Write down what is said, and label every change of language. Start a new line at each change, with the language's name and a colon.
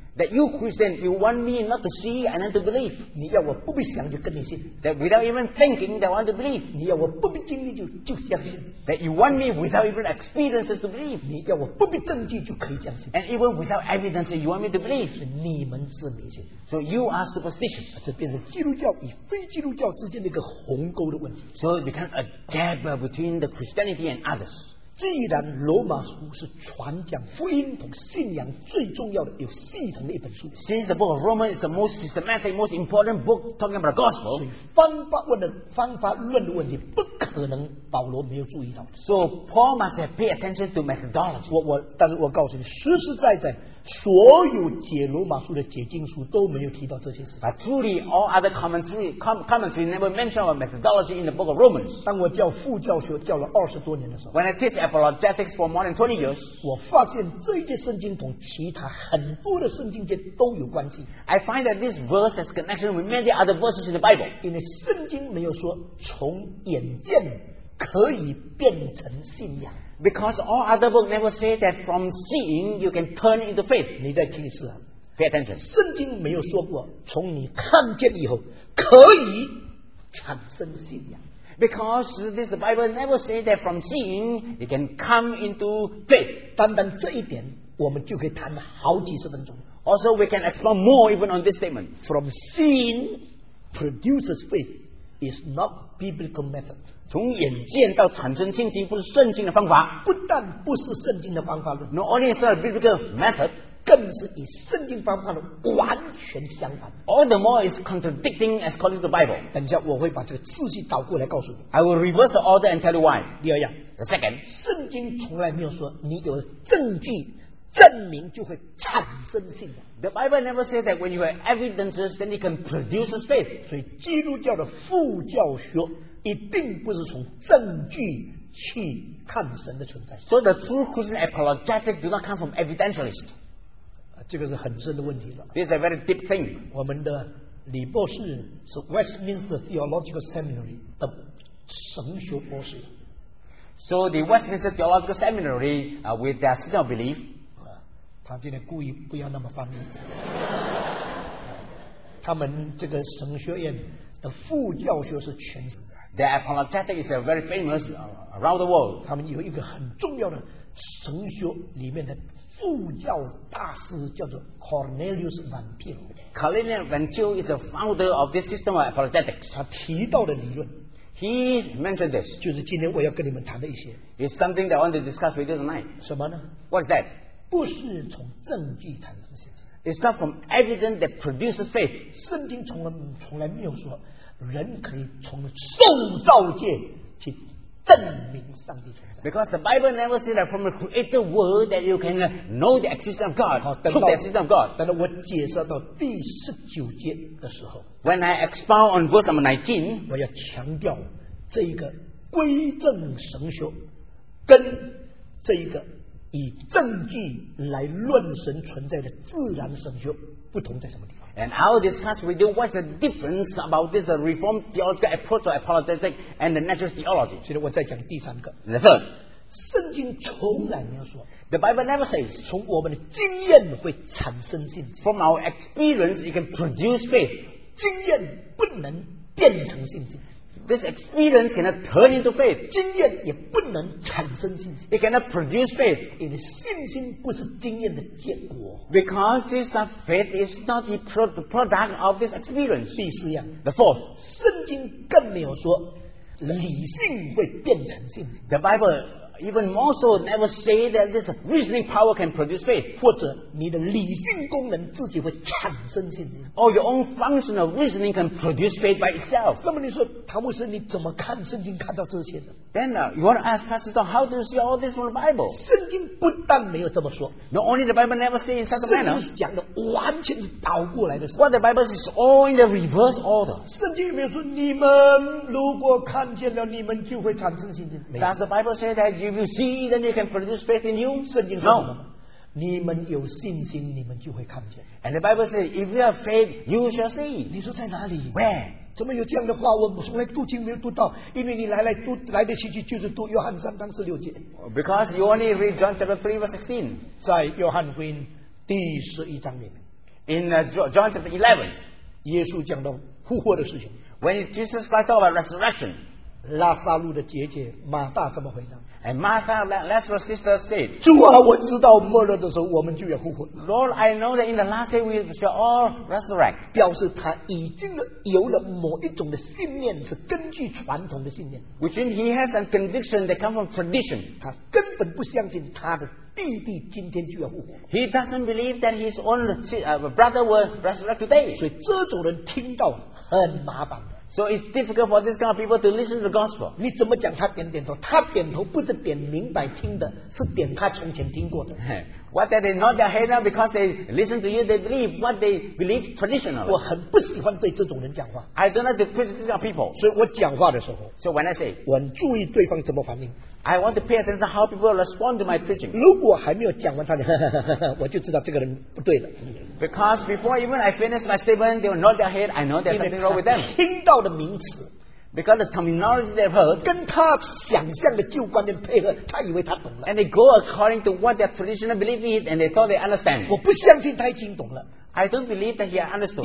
English: That you Christian, you want me not to see and then to believe.
Chinese: 你要我不必想就跟你信。
English: That without even thinking, that I want to believe.
Chinese: 你要我不必经历就相信。
English: That you want me without even experiences to believe.
Chinese: 你要我不必证据就可以相信。
English: And even without evidence, you want me to believe.
Chinese: 是你们是迷信。
English: So you are superstitious.
Chinese: 这变成基督教与非基督教之间的一个鸿沟的问题。
English: So it becomes a gap between the Christianity and others.
Chinese: 既然罗马书是传讲福音同信仰最重要的有系统的一本书
English: Since the book of Romans is the most systematic, most important book talking about the gospel
Chinese: 所以方法论的问题不可能保罗没有注意到
English: So Paul must have paid attention to methodology
Chinese: 但是我告诉你实实在在所有解罗马书的解经书都没有提到这些事
English: But truly all other commentary never mentioned our methodology in the book of Romans
Chinese: 当我教副教学教了二十多年的时候
English: When I teach apologetics for more than 20 years
Chinese: 我发现这一节圣经同其他很多的圣经节都有关系
English: I find that this verse has connection with many other verses in the Bible
Chinese: 因为圣经没有说从眼见可以变成信仰
English: Because all other books never say that from seeing you can turn into faith.
Chinese: 你再听一次啊
English: Pay attention.
Chinese: 圣经没有说过从你看见以后可以产生信仰
English: Because this Bible never say that from seeing you can come into faith.
Chinese: 单单这一点我们就可以谈好几十分钟
English: Also we can explore more even on this statement. From seeing produces faith is not biblical method.
Chinese: 从眼见到产生信心不是圣经的方法不但不是圣经的方法论
English: Not only is not a biblical method
Chinese: 更是与圣经方法论完全相反
English: All the more is contradicting as according to the Bible
Chinese: 等一下我会把这个次序倒过来告诉你
English: I will reverse the order and tell you why
Chinese: 第二样
English: The second
Chinese: 圣经从来没有说你有证据证明就会产生信仰
English: The Bible never said that when you have evidences then it can produce faith
Chinese: 所以基督教的副教学一定不是从证据去看神的存在。
English: So the true Christian apologetics do not come from evidentialist.
Chinese: 这个是很深的问题了。
English: This is a very deep thing.
Chinese: 我们的李博士是 Westminster Theological Seminary 的神学博士。
English: So the Westminster Theological Seminary, with their system of belief,
Chinese: 他今天故意不要那么翻译。他们这个神学院的副教授是全。
English: The apologetic is a very famous around the world.
Chinese: 他们有一个很重要的神学里面的副教大师叫做 Cornelius Van Til.
English: Cornelius Van Til is the founder of this system of apologetics.
Chinese: 他提到的理论
English: He mentioned this.
Chinese: 就是今天我要跟你们谈的一些
English: It's something that I want to discuss with you tonight.
Chinese: 什么呢
English: What is that?
Chinese: 不是从证据产生信心
English: It's not from evidence that produces faith.
Chinese: 圣经从来没有说人可以从受造界去证明上帝存在。
English: Because the Bible never said that from a created world that you can know the existence of God, prove the existence of God.
Chinese: 等到我解释到第十九节的时候
English: ，When I expound on verse number 19,
Chinese: 我要强调这一个归正神学跟这一个以证据来论神存在的自然神学不同在什么地方。
English: And I'll discuss with you what's the difference about this Reformed theological approach to apologetics and the natural theology.
Chinese: 现在我再讲第三个。
English: The third.
Chinese: 圣经从来没有说。
English: The Bible never says.
Chinese: 从我们的经验会产生信心。
English: From our experience, it can produce faith.
Chinese: 经验不能变成信心。
English: This experience cannot turn into faith.
Chinese: 经验也不能产生信心。
English: It cannot produce faith.
Chinese: 因为信心不是经验的结果。
English: Because this faith is not the product of this experience.
Chinese: 第四样。
English: The fourth.
Chinese: 圣经更没有说理性会变成信心。
English: The Bible even more so never say that this reasoning power can produce faith.
Chinese: 或者你的理性功能自己会产生信心。
English: Or your own function of reasoning can produce faith by itself.
Chinese: 那么你说唐牧师你怎么看圣经看到这些呢？
English: Then you want to ask Pastor Tom, how do you see all this from the Bible?
Chinese: 圣经不但没有这么说。
English: Not only the Bible never say in such a manner.
Chinese: 圣经讲的完全是倒过来的。
English: What the Bible says is all in the reverse order.
Chinese: 圣经没有说你们如果看见了你们就会产生信心。
English: Does the Bible say that if you see, then you can produce faith in you.
Chinese: 圣经说什么？
English: No.
Chinese: 你们有信心，你们就会看见。
English: And the Bible says, if you have faith, you shall see.
Chinese: 你说在哪里？
English: Where?
Chinese: 怎么有这样的话？我从来读经没有读到，因为你来的去去就是读约翰三章十六节。
English: Because you only read John chapter 3 verse 16.
Chinese: 在约翰福音第十一章里面。
English: In John chapter 11.
Chinese: 耶稣讲到复活的事情。
English: When Jesus Christ talked about resurrection.
Chinese: 拉撒路的姐姐马大怎么回答？
English: And Martha, Lazarus' sister said,
Chinese: 主啊，我知道末日的时候我们就要复活。
English: Lord, I know that in the last day we shall all resurrect.
Chinese: 表示他已经有了某一种的信念，是根据传统的信念。
English: Which means he has a conviction that comes from tradition.
Chinese: 他根本不相信他的弟弟今天就要复活。
English: He doesn't believe that his own brother will resurrect today.
Chinese: 所以这种人听到很麻烦的。
English: So it's difficult for this kind of people to listen to the gospel.
Chinese: 你怎么讲他点点头？他点头不是点明白听的，是点他从前听过的。
English: What that they nod their head now because they listen to you, they believe what they believe traditionally.
Chinese: 我很不喜欢对这种人讲话。
English: I don't like to preach to these kind of people.
Chinese: 所以我讲话的时候
English: ，So when I say，
Chinese: 我很注意对方怎么反应。
English: I want to pay attention to how people respond to my preaching.
Chinese: 如果还没有讲完，他就我就知道这个人不对了。
English: Because before even I finish my statement, they will nod their head. I know there's something wrong with them.
Chinese: 听到的名词
English: ，because the terminology they've heard,
Chinese: 跟他想象的旧观念配合，他以为他懂了。
English: And they go according to what their traditional belief is, and they thought they understand.
Chinese: 我不相信他已经懂了。
English: I don't believe that he understood.